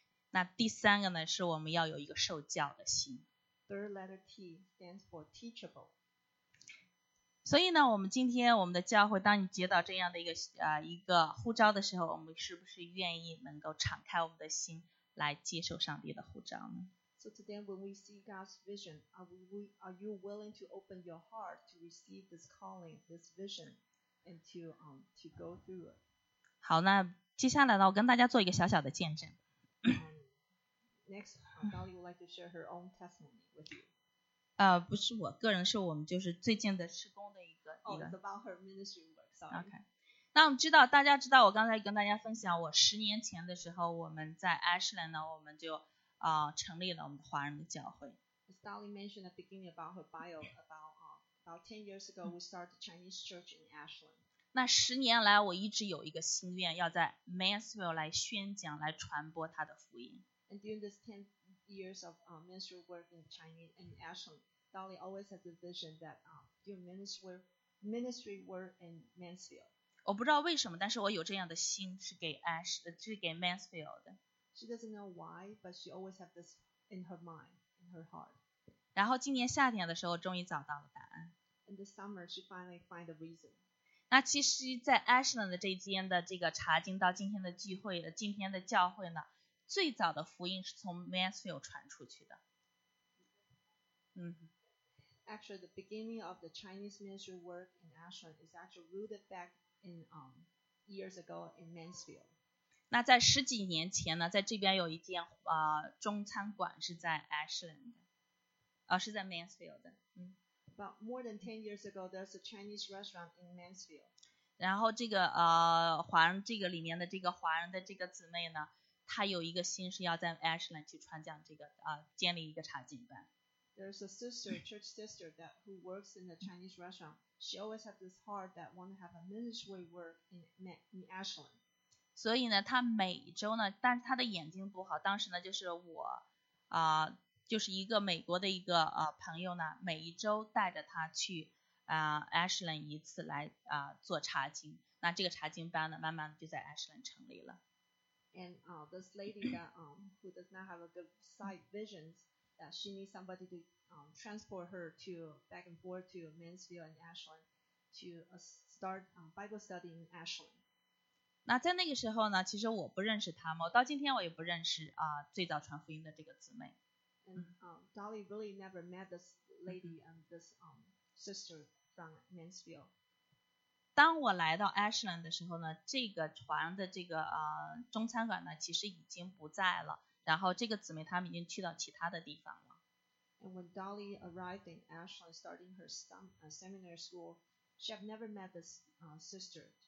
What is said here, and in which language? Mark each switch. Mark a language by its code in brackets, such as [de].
[zh] 那第三个呢，是我们要有一个受教的心。 [en] Third letter T stands for teachable. [zh] 所以呢，我们今天我们的教会，当你接到这样的一个啊、一个呼召的时候，我们是不是愿意能够敞开我们的心来接受上帝的呼召呢？ [en] So today, when we see God's vision, are you willing to open your heart to receive this calling, this vision, and to go through it? [zh] 好，那接下来呢，我跟大家做一个小小的见证。 [en] Next, Dolly would like to share her own testimony with you. [zh] 不是我个人，是我们就是最近的施工的一个。 [en] Oh, about her ministry work. Sorry. Okay. [zh] 那我们知道，大家知道，我刚才跟大家分享，我十年前的时候，我们在 Ashland 呢，我们就。成立了我们的华人的教会。 [en] As Dolly mentioned at the beginning about her bio, about 10 years ago, we started Chinese church in Ashland. [zh] 那十年来，我一直有一个心愿，要在 Mansfield 来宣讲，来传播他的福音。 [en] And during this 10 years of ministry work in Chinese in Ashland, Dolly always had the vision that during ministry work in Mansfield. [zh] 我不知道为什么，但是我有这样的心是给 Ash， 是给 Mansfield 的。 [en] She doesn't know why, but she always have this in her mind, in her heart. [zh] 然后今年夏天的时候，终于找到了答案。 [en] In the summer, she finally find the reason. [zh] 那其实，在 Ashland 的这间的这个查经到今天的聚会的今天的教会呢，最早的福音是从 Mansfield 传出去的。 [en] Actually, the beginning of the Chinese ministry work in Ashland is actually rooted back in years ago in Mansfield. [zh] 那在十几年前呢，在这边有一间中餐馆是在 Ashland， 是在 Mansfield 的。 [en] About more than 10 years ago, there's a Chinese restaurant in Mansfield. [zh] 然后这个华人这个里面的这个华人的这个姊妹呢，她有一个心是要在 Ashland 去传讲这个建立一个查经班。 [en] There's a sister, church sister that who works in the Chinese restaurant. She always has this heart that want to have a ministry work in Ashland. [zh] 所以呢，他每周呢，但是他的眼睛不好。当时呢，就是我，就是一个美国的一个朋友呢，每一周带着他去Ashland 一次来做查经。那这个查经班呢，慢慢就在 Ashland 成立了。 [en] And this lady that who does not have a good sight vision, that she needs somebody to transport her to back and forth to Mansfield and Ashland to start Bible study in Ashland. [zh] 那在那个时候呢，其实我不认识他们，到今天我也不认识最早传福音的这个姊妹。 [en] Dolly really never met this lady and this sister from Mansfield. [zh] 当我来到 Ashland 的时候呢，这个船的这个中餐馆呢，其实已经不在了，然后这个姊妹他们已经去到其他的地方了。 [en] And when Dolly arrived in Ashland starting her seminary school, she had never met this sister.